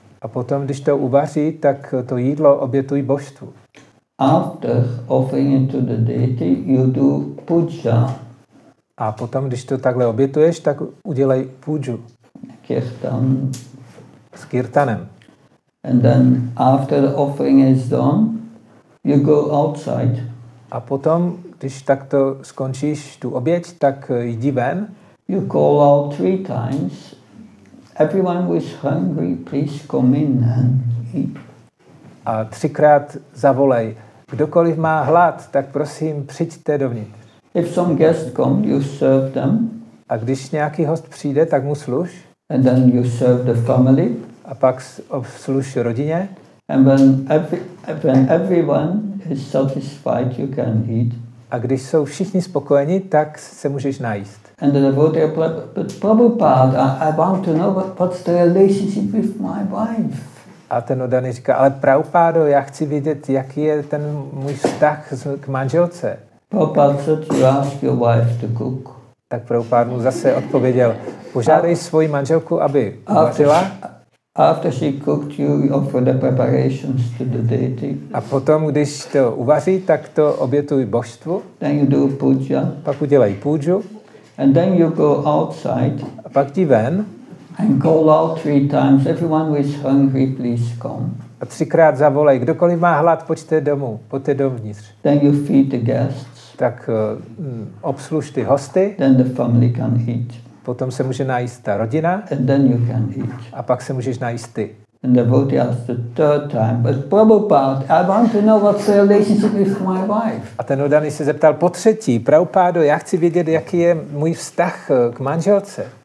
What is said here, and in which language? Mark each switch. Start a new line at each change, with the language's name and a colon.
Czech: A potom, když to uvaří, tak to jídlo obětují božstvu.
English: After offering it to the deity, you do puja.
Czech: A potom, když to takhle obětuješ, tak udělej puju.
English: Kirtan.
Czech: S kirtanem.
English: And then after the offering is done, you go outside.
Czech: A potom, když takto skončíš tu oběť, tak jdi ven.
English: You call out three times. Everyone who is hungry, please come in and eat.
Czech: A třikrát zavolej. Kdokoliv má hlad, tak prosím, přijďte dovnitř.
English: If some guest come, you serve them.
Czech: A když nějaký host přijde, tak mu služ.
English: And then you serve the family.
Czech: A pak služ rodině.
English: And when everyone is satisfied, you can eat.
Czech: A když jsou všichni spokojeni, tak se můžeš najíst.
English: And the devotee replied, but Prabhupada, I want to know what's the relationship with my wife.
Czech: A ten oddaný říká, ale Prabhupádo, já chci vidět, jaký je ten můj vztah k manželce.
English: Prabhupada said, you ask your wife to cook.
Czech: Tak Prabhupád mu zase odpověděl, požádej svoji manželku, aby vařila.
English: After she cooked, you offer the preparations to the deity.
Czech: A potom, když to uvaří, tak to obětují božstvu.
English: Then you do puja.
Czech: Pak udělají puju.
English: And then you go outside.
Czech: A pak jdi ven.
English: And call out three times. Everyone who is hungry, please come.
Czech: A třikrát zavolej. Kdokoliv má hlad, pojďte domů. Pojďte dovnitř.
English: Then you feed the guests.
Czech: Tak obsluž ty hosty.
English: Then the family can eat.
Czech: Potom se může najíst ta rodina.
English: And then you can eat.
Czech: A pak se můžeš najíst ty.
English: And the devotee asked the third time, but Prabhupada, I want to know what's the relationship with my wife.
Czech: A ten udaný se zeptal po třetí, Prabhupádo, já chci vědět, jaký je můj vztah k manželce.